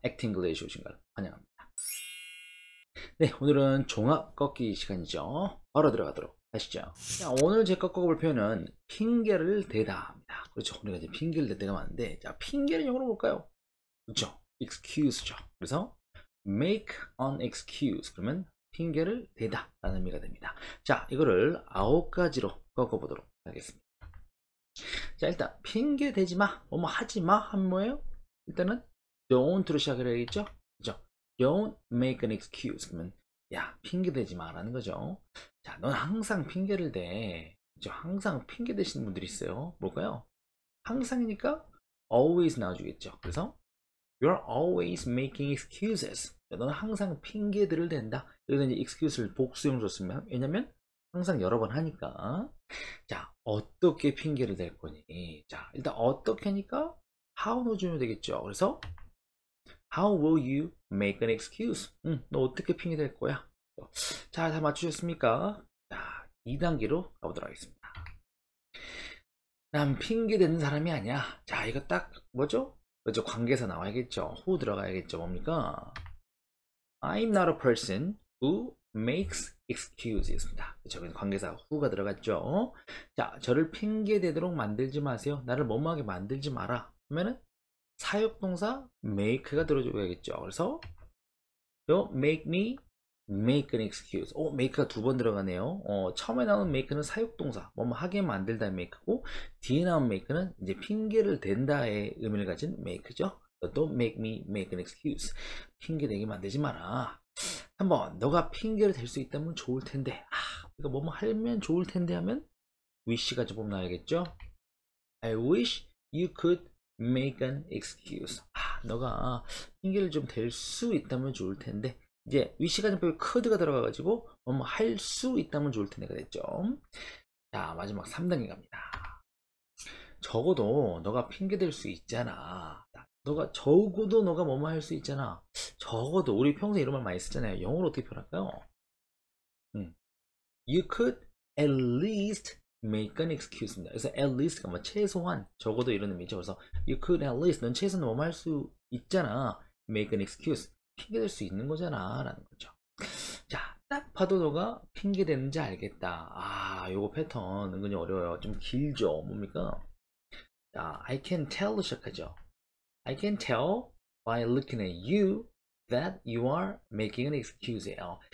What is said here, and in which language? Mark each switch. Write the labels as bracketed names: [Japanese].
[Korean] Act English 오신 걸 환영합니다. 네, 오늘은 종합 꺾기 시간이죠. 바로 들어가도록 하시죠. 자, 오늘 제가 꺾어볼 표현은 핑계를 대다 합니다. 그렇죠. 우리가 이제 핑계를 댈 때가 많은데, 자, 핑계를 영어로 볼까요? 그렇죠. Excuse죠. 그래서 [English] make an excuse. [Korean] 그러면 핑계를 대다 라는 의미가 됩니다. 자, 이거를 아홉 가지로 꺾어보도록 하겠습니다. 자, 일단 핑계 대지 마, 뭐 하지 마 하면 뭐예요? 일단은 don't로 시작을 해야겠죠? 그죠? [English] Don't make an excuse. [Korean] 그러면 야, 핑계 대지 마라는 거죠. 자, 넌 항상 핑계를 대. 그죠? 항상 핑계 대시는 분들이 있어요. 뭘까요? 항상이니까 always 나와주겠죠. 그래서 [English] you're always making excuses. [Korean] 넌 항상 핑계들을 댄다. 여기서 이제 excuse를 복수형으로 썼으면, 왜냐면 항상 여러 번 하니까. 자, 어떻게 핑계를 댈 거니? 자, 일단 어떻게니까 how 넣어주면 되겠죠. 그래서 [English] how will you make an excuse? [Korean] 너 어떻게 핑계 댈 거야? 자, 다 맞추셨습니까? 자, 2단계로 가보도록 하겠습니다. 난 핑계 대는 사람이 아니야. 자, 이거 딱 뭐죠? 그죠? 관계사 나와야겠죠. who 들어가야겠죠. 뭡니까? [English] I'm not a person who makes excuses [Korean] 입니다. 그쵸? 관계사 who가 들어갔죠. 자, 저를 핑계대도록 만들지 마세요. 나를 뭐뭐하게 만들지 마라. 그러면은 사역동사 make가 들어줘야겠죠. 그래서 [English] Don't make me make an excuse. [Korean] make가 두번 들어가네요. 처음에 나온 make는 사역동사, 뭐뭐하게 만들다 make고, 뒤에 나온 make는 이제 핑계를 댄다의 의미를 가진 make죠. [English] Don't make me make an excuse. [Korean] 핑계대게 만들지 마라. 한번 너가 핑계를 댈수 있다면 좋을 텐데. 이거 뭐뭐 하면 좋을 텐데 하면 wish가 조금 나와야겠죠. [English] I wish you could make an excuse. [Korean] 너가 핑계를 좀댈수 있다면 좋을 텐데. 이제 wish가 좀 could가 들어가 가지고 뭐뭐 할수 있다면 좋을 텐데가 됐죠. 자, 마지막 3단계 갑니다. 적어도 너가 핑계 댈수 있잖아. 너가 적어도 너가 뭐뭐 할수 있잖아. 적어도 우리 평소에 이런 말 많이 쓰잖아요. 영어로 어떻게 표현할까요? [English] You could at least make an excuse입니다. [Korean] 그래서 at least가 뭐 최소한, 적어도 이런 의미죠. 그래서 [English] you could at least, [Korean] 넌 최소한 뭐뭐 할수 있잖아. [English] make an excuse, [Korean] 핑계댈 수 있는 거잖아 라는 거죠. 자, 딱 봐도 너가 핑계댔는지 알겠다. 아, 요거 패턴 은근히 어려워요. 좀 길죠. 뭡니까? [English] 자, I can tell로 [Korean] 시작하죠. [English] I can tell by looking at you that you are making an excuse예요.